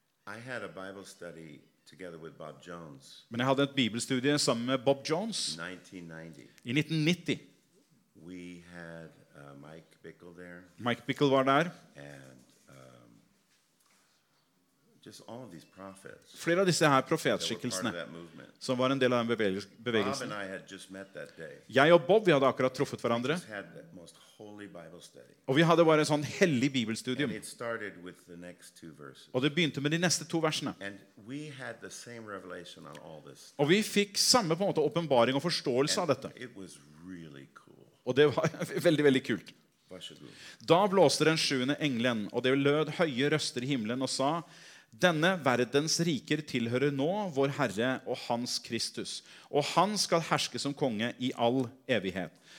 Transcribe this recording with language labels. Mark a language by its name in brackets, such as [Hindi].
[English] I had a Bible study with Bob Jones. [Norwegian] Men jeg hadde et bibelstudie sammen med Bob Jones. [English] 1990. [Norwegian] I 1990. [English] We had Mike Bickle there. [Norwegian] Mike Bickle var der. [English] And just all of these prophets. [Norwegian] Flere av disse her profetskikkelsene som var en del av den bevegelsen. [English] Bob and I had just met that day. [Norwegian] Jeg og Bob, vi hadde akkurat truffet hverandre. [English] We had the most holy Bible study. [Norwegian] Og vi hadde bare en sånn hellig bibelstudium. [English] And it started with the next two verses. [Norwegian] Og det begynte med de neste to versene. [English] And we had the same revelation on all this. [Norwegian] Og vi fikk samme på en måte åpenbaring og forståelse av dette. [English] It was really cool. [Norwegian] Og det var veldig, veldig kult. Da blåste den sjuende engelen, og det lød høye røster I himlen og sa, «Denne verdens riker tilhører nå vår Herre og hans Kristus, og han skal herske som konge I all evighet.